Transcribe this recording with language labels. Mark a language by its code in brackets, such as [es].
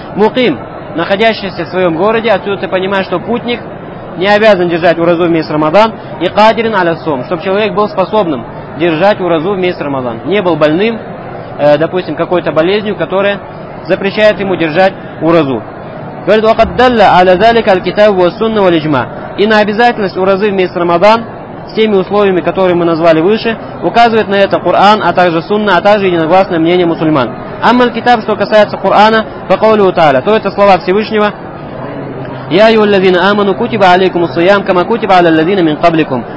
[ru] Мукым, находящийся в своем городе, отсюда ты понимаешь, что путник не обязан держать уразу в месяц Рамадан. И [ar] кадирин аля сом, [ru] чтобы человек был способным держать уразу в месяц Рамадан. Не был больным, допустим, какой-то болезнью, которая запрещает ему держать уразу. [ar] Говорит, وَقَدْ دَلَّ عَلَى ذَلِكَ الْكِتَابُ وَالسُّنَّةُ وَالْإِجْمَاعُ. [ru] И на обязательность уразы в месяц Рамадан, с теми условиями, которые мы назвали выше, указывает на это Коран, а также Сунна, а также единогласное мнение мусульман. [ar] Аммаль китаб, [ru] что касается Корана, [ar] فَقَوْلُهُ تَعَالَى, [ru] то это слова Всевышнего. [ar] يَا أَيُّهَا الَّذِينَ آمَنُوا كُتِبَ عَلَيْكُمُ الصِّيَامُ كَمَا كُتِبَ عَلَى الَّذِينَ مِنْ قَبْلِكُمْ.